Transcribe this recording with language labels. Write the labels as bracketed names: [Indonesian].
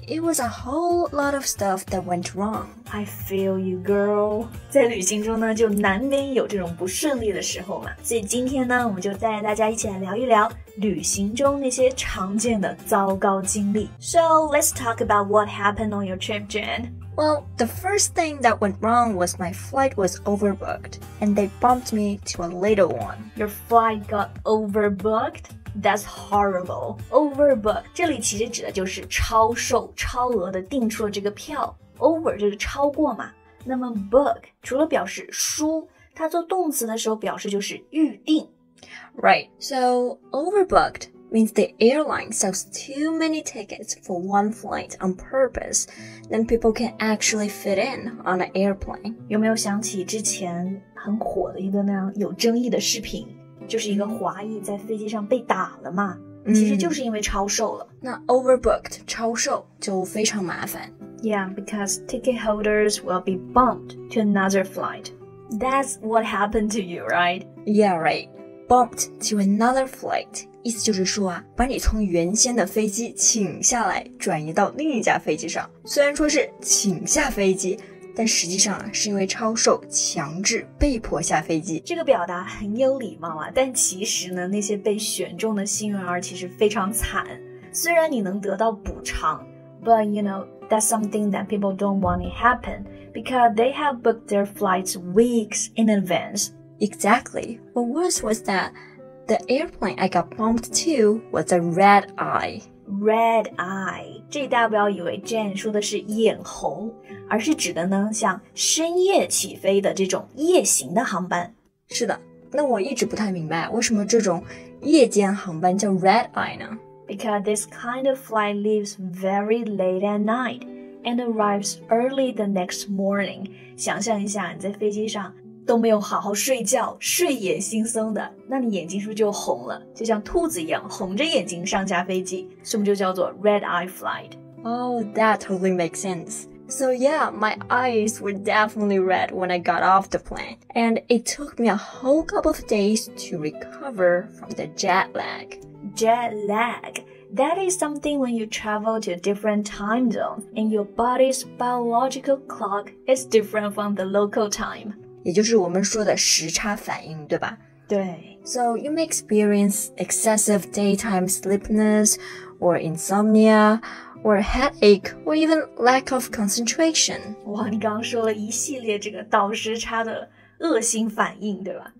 [English] It was a whole lot of stuff that went wrong. I feel you, girl. [Chinese] 在旅行中呢，就难免有这种不顺利的时候嘛。所以今天呢，我们就带大家一起来聊一聊旅行中那些常见的糟糕经历。 [English] So, let's talk about what happened on your trip, Jen. Well, the first thing that went wrong was my flight was overbooked, and they bumped me to a later one. Your flight got overbooked? That's horrible. [Chinese] Overbooked, 这里其实指的就是超售、超额的订出了这个票。 Over 就是超过嘛。那么 book 除了表示书，它做动词的时候表示就是预定。 [English] Right, so overbookedmeans the airline sells too many tickets for one flight on purpose, then people can actually fit in on an airplane. [Chinese] 有没有想起之前很火的一个那样有争议的视频，就是一个华裔在飞机上被打了嘛？其实就是因为超售了。那 overbooked, 超售就非常麻烦。 [English] Yeah, because ticket holders will be bumped to another flight. That's what happened to you, right? Yeah, right. Bumped to another flight. [Chinese] 意思就是说啊，把你从原先的飞机请下来，转移到另一架飞机上。虽然说是请下飞机，但实际上啊，是因为超售强制被迫下飞机。这个表达很有礼貌啊，但其实呢，那些被选中的幸运儿其实非常惨。虽然你能得到补偿 [English] ，but you know that's something that people don't want it happen because they have booked their flights weeks in advance. Exactly. What worse was that. The airplane I got bumped to was a red eye. Red eye. [Chinese] 这大家不要以为 Jane 说的是眼红，而是指的呢像深夜起飞的这种夜行的航班。是的，那我一直不太明白为什么这种夜间航班叫 red eye 呢？ [English] Because this kind of flight leaves very late at night and arrives early the next morning. [Chinese] 想象一下你在飞机上都没有好好睡觉，睡眼惺忪的，那你眼睛是不是就红了？就像兔子一样，红着眼睛上下飞机，所以就叫做 red eye flight. [English] Oh, that totally makes sense. So yeah, my eyes were definitely red when I got off the plane, and it took me a whole couple of days to recover from the jet lag. Jet lag. That is something when you travel to a different time zone, and your body's biological clock is different from the local time. [Chinese] 也就是我们说的时差反应，对吧？对。 [English] So you may experience excessive daytime sleepiness, or insomnia, or headache, or even lack of concentration. [Chinese] 哇，你刚刚说了一系列这个倒时差的恶性反应，对吧？